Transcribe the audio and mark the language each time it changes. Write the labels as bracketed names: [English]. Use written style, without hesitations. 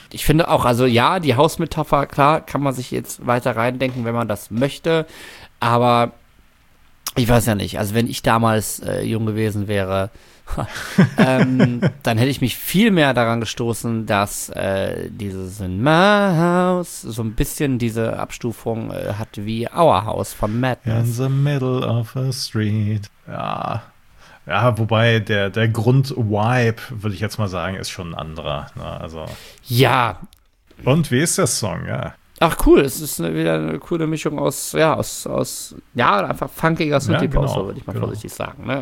[German] Ich finde auch, also ja, die Hausmetapher, klar, kann man sich jetzt weiter reindenken, wenn man das möchte, aber ich weiß ja nicht, also wenn ich damals jung gewesen wäre, dann hätte ich mich viel mehr daran gestoßen, dass dieses In My House so ein bisschen diese Abstufung hat wie Our House von Madness. [English] In the middle of a street. [German] Ja, wobei der Grund-Vibe, würde ich jetzt mal sagen, ist schon ein anderer. Ne? Also. Ja. Und wie ist der Song, ja? Ach cool, es ist wieder eine coole Mischung aus einfach funkiger Synthie-Pop, ja, genau, so würde ich mal vorsichtig sagen. Ne?